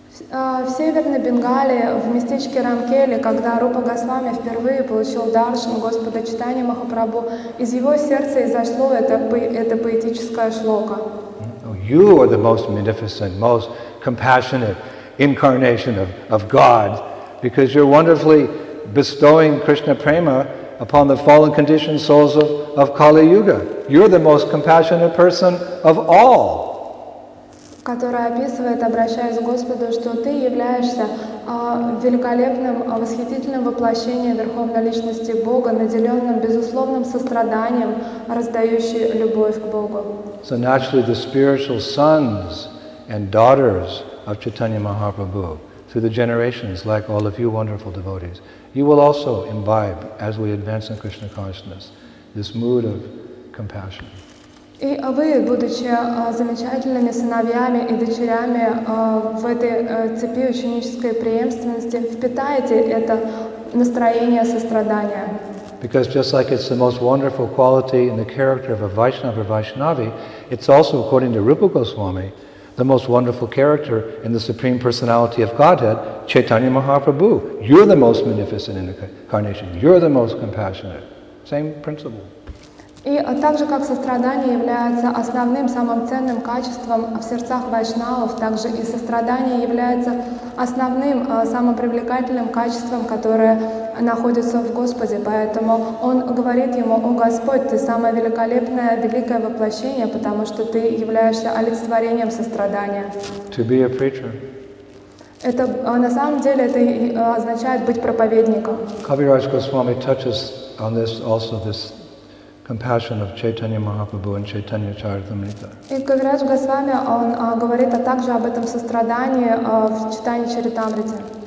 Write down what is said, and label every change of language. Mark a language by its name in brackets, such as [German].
[Russian] В северной Бенгалии, в местечке Рамкели, когда Рупа Госвами впервые получил даршан Господа Чайтанья Махапрабху, из его сердца изошло это поэтическое шлока. [English] You are the most magnificent, most compassionate incarnation of God, because you're wonderfully bestowing Krishna Prema upon the fallen conditioned souls of Kali Yuga. You're the most compassionate person of all. [Russian] Которая описывает, обращаясь к Господу, что ты являешься великолепным, восхитительным воплощением Верховной Личности Бога, наделенным безусловным состраданием, раздающей любовь к Богу. [English] So naturally the spiritual sons and daughters of Chaitanya Mahaprabhu, through the generations, like all of you wonderful devotees, you will also imbibe, as we advance in Krishna consciousness, this mood of compassion. [Russian] И вы, будучи замечательными сыновьями и дочерями в этой цепи ученической преемственности, впитаете это настроение сострадания. [English] Because just like it's the most wonderful quality in the character of a Vaishnava or Vaishnavi, it's also, according to Rupa Goswami, the most wonderful character in the Supreme Personality of Godhead, Chaitanya Mahaprabhu. You're the most munificent incarnation. You're the most compassionate. Same principle. [Russian] И также как сострадание является основным, самым ценным качеством в сердцах вайшнавов, также и сострадание является основным, самым привлекательным качеством, которое находится в Господе. Поэтому он говорит ему: «О Господь, ты самое великолепное, великое воплощение, потому что ты являешься олицетворением сострадания». [English] To be a preacher. [Russian] Это на самом деле это означает быть проповедником. [English] Kaviraj Goswami touches on this also this compassion of Chaitanya Mahaprabhu and Chaitanya Charitamrita. [Russian] И Кавирадж Госвами он говорит также об этом сострадании в читании Чаритамриты.